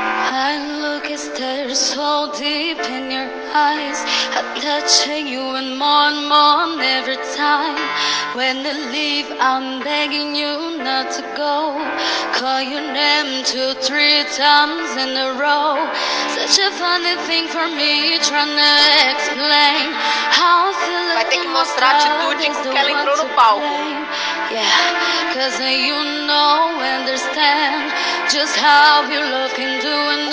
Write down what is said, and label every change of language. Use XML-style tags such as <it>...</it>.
<en>I look at stars so deep in your eyes, I'm touching you and more every time. When I leave, I'm begging you not to go. Call your name 2-3 times in a row. Such a funny thing for me trying to explain how I feel.</en> <pt>Vai ter que mostrar a atitude que ela entrou no palco.</pt> <en>Yeah, 'cause you know, understand just how you love can do and</en>